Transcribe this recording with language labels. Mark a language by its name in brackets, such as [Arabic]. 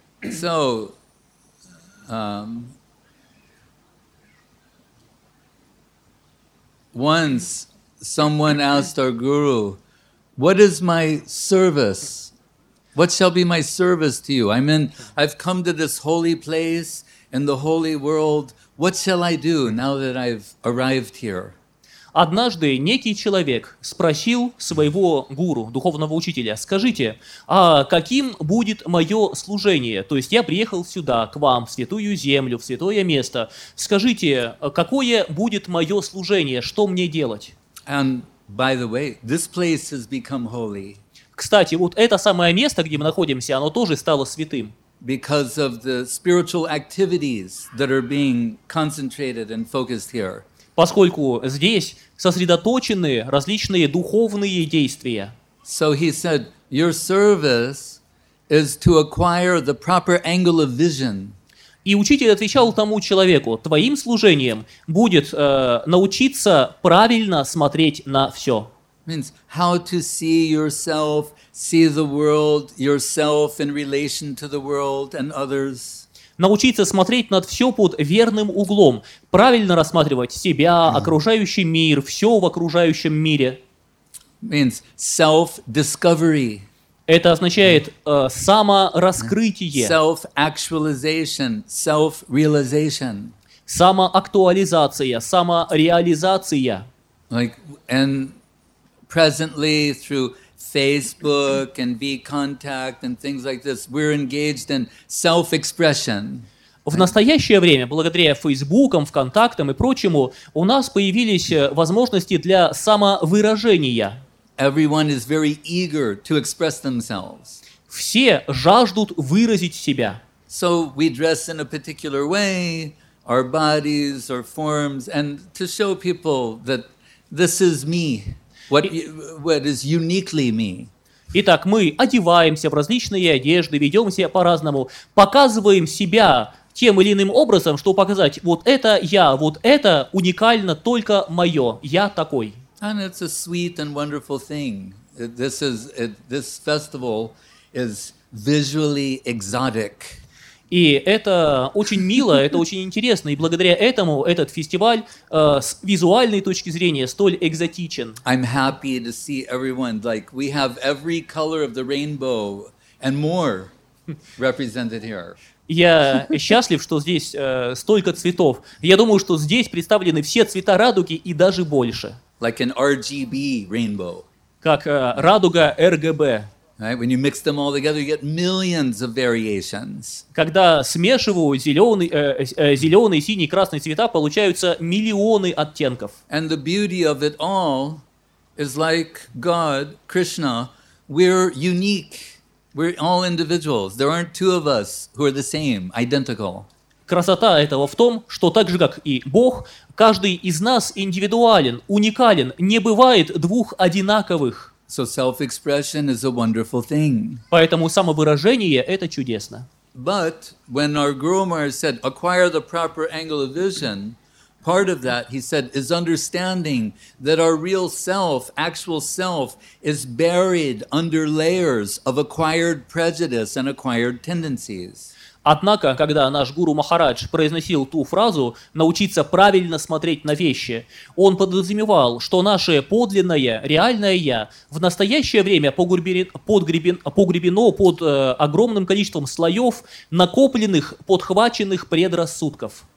[English] So, once someone asked our guru, what is my service? What shall be my service to you? I've come to this holy place in the holy world. What shall I do now that I've arrived here? [Russian] Однажды некий человек спросил своего гуру, духовного учителя, скажите, а каким будет мое служение? То есть я приехал сюда, к вам, в святую землю, в святое место. Скажите, какое будет мое служение? Что мне делать? [English] And by the way, this place has become holy. [Russian] Кстати, вот это самое место, где мы находимся, оно тоже стало святым. [English] Because of the spiritual activities that are being concentrated and focused here. [Russian] Поскольку здесь сосредоточены различные духовные действия. [English] So he said, your service is to acquire the proper angle of vision. [Russian] И учитель отвечал тому человеку: твоим служением будет научиться правильно смотреть на все. [English] Means how to see yourself, see the world, yourself in relation to the world and others. [Russian] Научиться смотреть над все под верным углом, правильно рассматривать себя, окружающий мир, все в окружающем мире. [English] Means self-discovery. [Russian] Это означает самораскрытие. [English] Self-actualization, self-realization. [Russian] Самоактуализация, самореализация. [English] Like, and presently through Facebook and VKontakte and things like this, we're engaged in self-expression. [Russian] В настоящее время, благодаря Фейсбукам, ВКонтактам и прочему, у нас появились возможности для самовыражения. [English] Everyone is very eager to express themselves. [Russian] Все жаждут выразить себя. [English] So we dress in a particular way, our bodies, our forms, and to show people that this is me, what is uniquely me. [Russian] Итак, мы одеваемся в различные одежды, ведем себя по-разному, показываем себя тем или иным образом, чтобы показать: вот это я, вот это уникально только мое, я такой. [English] And it's a sweet and wonderful thing. This festival is visually exotic. [Russian] И это очень мило, это очень интересно, и благодаря этому этот фестиваль с визуальной точки зрения столь экзотичен. [English] I'm happy to see everyone. Like, we have every color of the rainbow and more represented here. [Russian] Я счастлив, что здесь столько цветов. Я думаю, что здесь представлены все цвета радуги и даже больше. [English] Like an RGB rainbow. [Russian] Как радуга RGB. [English] Right? When you mix them all together, you get millions of variations. [Russian] Когда смешиваю зеленый, синий, красный цвета, получаются миллионы оттенков. [English] And the beauty of it all is like God, Krishna, we're unique. We're all individuals. There aren't two of us who are the same, identical. [Russian] Красота этого в том, что так же, как и Бог, каждый из нас индивидуален, уникален, не бывает двух одинаковых. [English] So self-expression is a wonderful thing. [Russian] Поэтому самовыражение – это чудесно. [English] But when our Guru Maharaj said, acquire the proper angle of vision, part of that, he said, is understanding that our real self, actual self, is buried under layers of acquired prejudice and acquired tendencies. [Russian] Однако, когда наш гуру Махарадж произносил ту фразу «научиться правильно смотреть на вещи», он подразумевал, что наше подлинное, реальное «я» в настоящее время погребено под огромным количеством слоев накопленных, подхваченных предрассудков.